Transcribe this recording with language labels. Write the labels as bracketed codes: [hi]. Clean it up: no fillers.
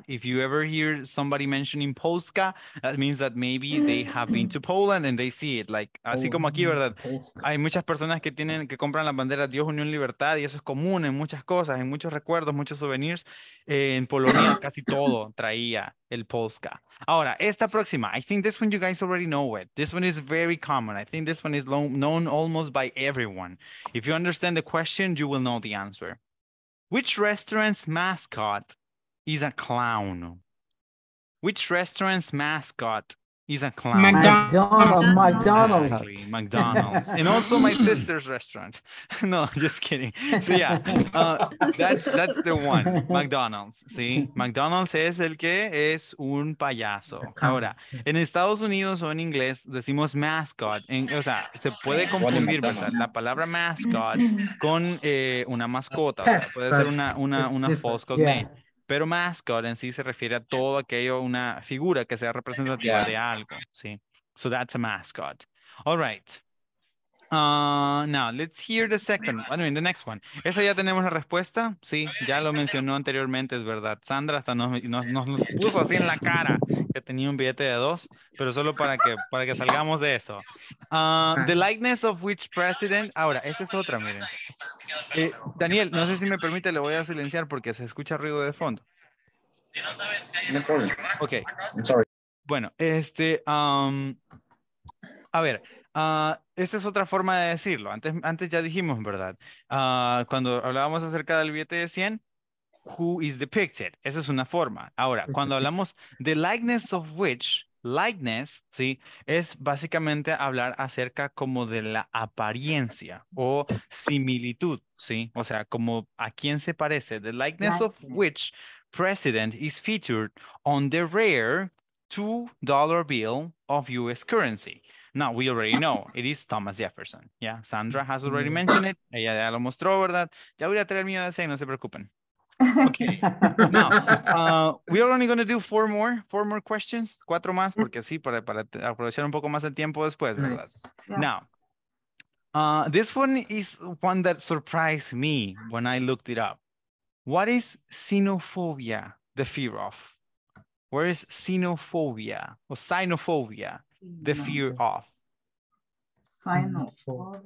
[en] If you ever hear somebody mentioning Polska, that means that maybe they have been to Poland and they see it. [es] Like, así como aquí, ¿verdad? Hay muchas personas que tienen, que compran la bandera Dios, Unión, Libertad, y eso es común en muchas cosas, en muchos recuerdos, muchos souvenirs. En Polonia casi todo traía el Polska. Ahora, esta próxima, [en] I think this one you guys already know it. This one is very common. I think this one is known almost by everyone. If you understand the question, you will know the answer. Which restaurant's mascot is a clown? Which restaurant's mascot is a clown? McDonald's. And also my sister's restaurant. No, just kidding. So yeah, that's the one. McDonald's. ¿Sí? [es] McDonald's es el que es un payaso. Ahora, en Estados Unidos o en inglés decimos mascot. O sea, se puede confundir la palabra mascot con una mascota. O sea, puede ser una false cognate. Yeah. Pero mascot en sí se refiere a todo aquello, una figura que sea representativa de algo, ¿sí? [en] So that's a mascot. All right. Now, let's hear the second, I mean, the next one. [es] ¿Esa ya tenemos la respuesta? Sí, ya lo mencionó anteriormente, es verdad. Sandra hasta nos puso así en la cara que tenía un billete de dos, pero solo para que salgamos de eso. [en] The likeness of which president, [es] ahora, esa es otra, miren. Daniel, no sé si me permite, le voy a silenciar porque se escucha ruido de fondo. Ok. Bueno, a ver, esta es otra forma de decirlo. Antes ya dijimos, ¿verdad? Cuando hablábamos acerca del billete de 100, [en] who is depicted? [es] Esa es una forma. Ahora, cuando hablamos de likeness of which, likeness, ¿sí? Es básicamente hablar acerca como de la apariencia o similitud, ¿sí? O sea, como a quién se parece. [en] The likeness of which president is featured on the rare $2 bill of U.S. currency. Now, we already know, it is Thomas Jefferson. Yeah, Sandra has already mentioned it. [es] Ella ya lo mostró, ¿verdad? [en] Ya voy a traer el mío de ese, no se preocupen. Okay, now, we are only going to do four more questions. [es] Cuatro más, porque sí, para aprovechar un poco más el tiempo después, ¿verdad? [en] Nice. Yeah. Now, this one is one that surprised me when I looked it up. What is xenophobia, the fear of? Where is xenophobia or xenophobia? The fear of xenophobia.